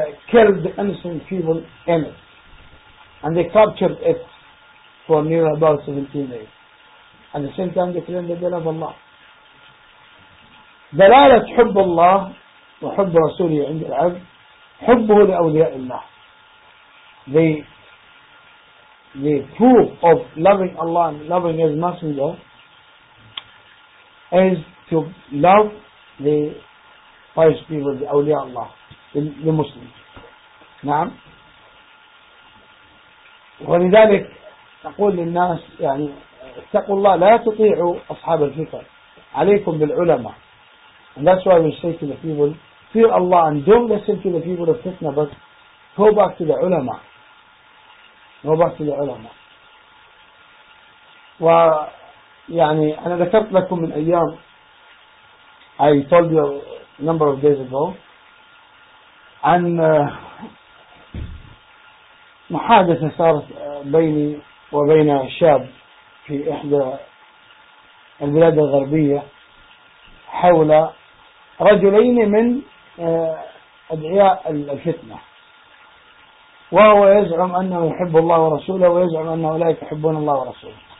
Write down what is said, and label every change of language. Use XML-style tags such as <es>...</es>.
<en>killed the innocent people in it. And they captured it for near about 17 days. At the same time, they claimed that they love Allah.</en> <ar>دلالة حب الله وحب رسوله عند العبد حبه لأولياء الله.</ar> <en>The proof of loving Allah and loving His Messenger is to love the pious people, the</en> <ar>أولياء الله,</ar> <en>the Muslims.</en> <ar>نعم. ولذلك نقول للناس يعني اتقوا الله لا تطيعوا أصحاب الفكر عليكم بالعلماء.</ar> <en>And that's why we say to the people, fear Allah and don't listen to the people of fitna, but go back to the ulama. Go back to the ulama.</en> <ar>ويعني أنا ذكرت لكم من أيام,</ar> <en>I told you a number of days ago,</en> <ar>عن محادثة صارت بيني وبين شاب في إحدى البلاد الغربية حول رجلين من أدعياء الفتنة, وهو يزعم أنه يحب الله ورسوله ويزعم أن أولئك يحبون الله ورسوله.</ar>